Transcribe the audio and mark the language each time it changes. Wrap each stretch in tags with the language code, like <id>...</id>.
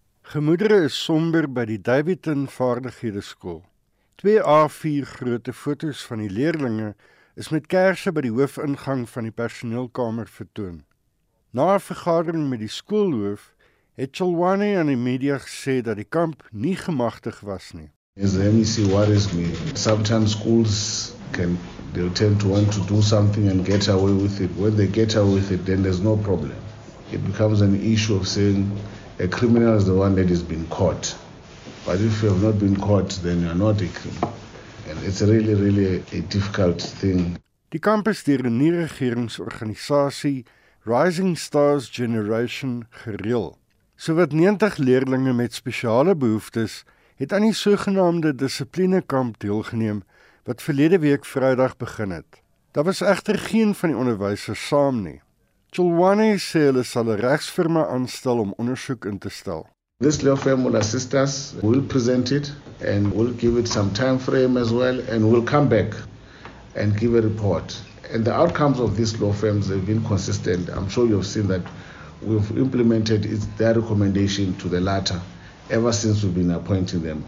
<af>Gemoedere is somber by die Davidson Vaardighede Skool. Twee A4 grootte foto's van die leerlinge is met kersse by die hoofingang van die personeelkamer vertoon. Na 'n vergadering met die skoolhoof het Chalwani aan die media gesê dat die kamp nie gemagtig was nie.</af> <en>As the MEC worries me, sometimes schools they'll tend to want to do something and get away with it. When they get away with it, then there's no problem. It becomes an issue of saying a criminal is the one that has been caught. But if you have not been caught, then you are not a criminal. And it's really, really a difficult thing.</en> <af>Die kamp is deur 'n nie-regeringsorganisasie, Rising Stars Generation, gereël. Sowat 90 leerlinge met spesiale behoeftes het aan die sogenaamde dissiplinekamp deelgeneem wat verlede week Vrydag begin het. Daar was egter geen van die onderwysers saam nie. Chulwane sê hulle sal 'n regsfirma aanstel om ondersoek in te stel.</af> <en>This law firm will assist us, we'll present it and we'll give it some time frame as well and we'll come back and give a report. And the outcomes of these law firms have been consistent. I'm sure you've seen that we've implemented their recommendation to the latter ever since we've been appointing them.</en>